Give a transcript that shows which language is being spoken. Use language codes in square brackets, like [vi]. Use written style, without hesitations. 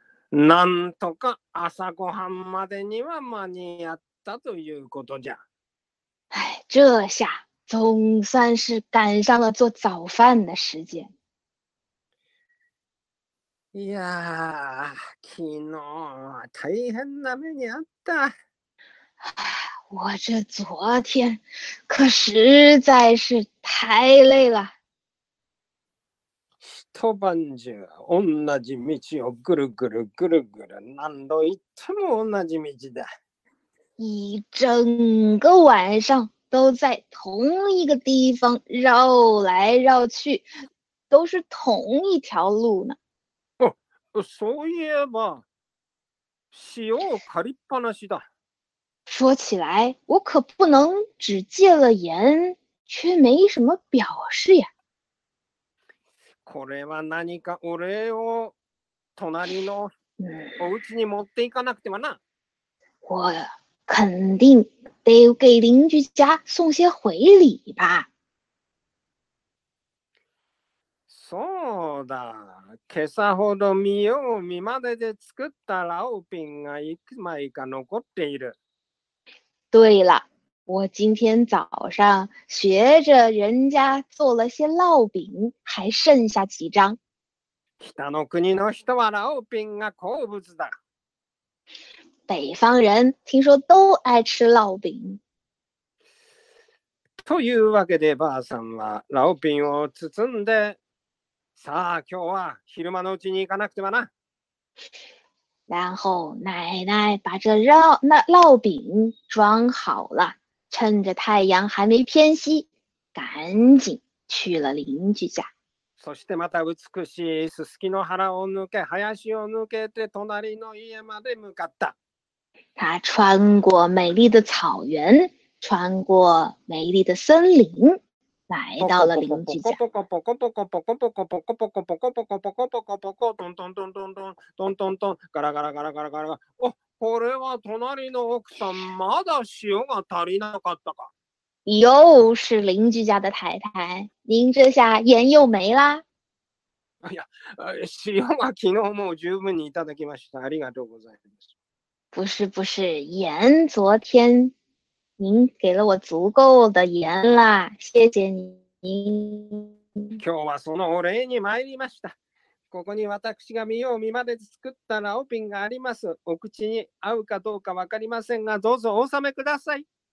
[ja] なんとか朝ごはんまでには間に合ったということじゃ。 [zh] 哎，这下总算是赶上了做早饭的时间。 [ja] いや、昨日は大変な目にあった。 [zh] 我这昨天可实在是太累了。 [ja] 一晩中同じ道をぐるぐるぐるぐる、何度言っても同じ道だ。 [zh] 一整个晚上都在同一个地方绕来绕去，都是同一条路呢。 [ja] 哦，そういえば、塩を借りっぱなしだ。 [zh] 说起来，我可不能只借了盐，却没什么表示呀。 [ja] これは何かお礼を隣のお家に持っていかなくてはな。 [zh] 我肯定得给邻居家送些回礼吧。 [ja] そうだ。今朝ほど見よう見まねで作ったラオピンがいくまいか残っている。 [zh] 对了，我今天早上学着人家做了些烙饼，还剩下几张。 [ja] 北の国の人は烙饼が好物だ。 [zh] 北方人听说都爱吃烙饼。 [ja] というわけで、ばあさんは烙饼を包んで、さあ今日は昼間のうちに行かなくてはな。 [zh] 然后奶奶把这烙饼装好了，趁着太阳还没偏西，赶紧去了邻居家。 [ja] そしてまた美しいススキの原を抜け、林を抜けて隣の家まで向かった。 [zh] 他穿过美丽的草原，穿过美丽的森林，来到了邻居家。 [ja] ポコポコポコポコポコポコポコポコポコポコポコポコポコ、トントントントントントントントン、ガラガラガラガラガラ。お、これは隣の奥さん、まだ塩が足りなかったか。 [zh] 又是邻居家的太太，您这下盐又没啦。 [ja] 哎呀，塩は昨日も十分にいただきました。ありがとうございます。 [zh] 不是不是，盐昨天。您给了我足够的盐啦，谢谢您。 [ja] 今日はそのお礼に参りました。ここに私が見よう見まねで作ったラオピンがあります。お口に合うかどうかわかりませんが、どうぞお納めください。